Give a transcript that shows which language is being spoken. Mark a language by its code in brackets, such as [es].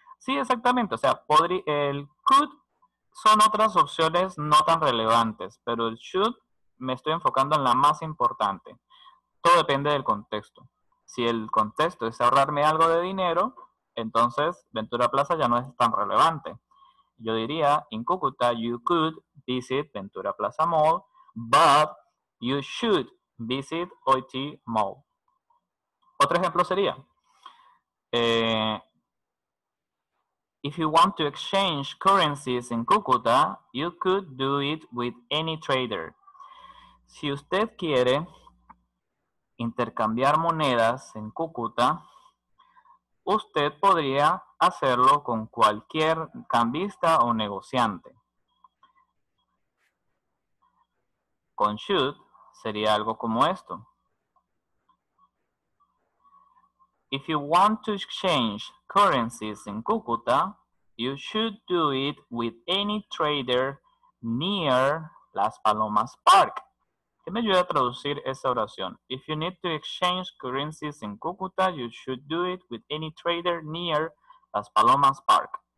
[es] Sí, exactamente. O sea, el could son otras opciones no tan relevantes, pero el should me estoy enfocando en la más importante. Todo depende del contexto. Si el contexto es ahorrarme algo de dinero, entonces Ventura Plaza ya no es tan relevante. Yo diría, [en] in Cúcuta, you could visit Ventura Plaza Mall, but you should visit OIT Mall. [es] Otro ejemplo sería, [en] if you want to exchange currencies in Cúcuta, you could do it with any trader. [es] Si usted quiere intercambiar monedas en Cúcuta, usted podría hacerlo con cualquier cambista o negociante. Con should sería algo como esto. [en] If you want to exchange currencies in Cúcuta, you should do it with any trader near Las Palomas Park. [es] ¿Qué me ayuda a traducir esa oración? [en] If you need to exchange currencies in Cúcuta, you should do it with any trader near Las Palomas Park.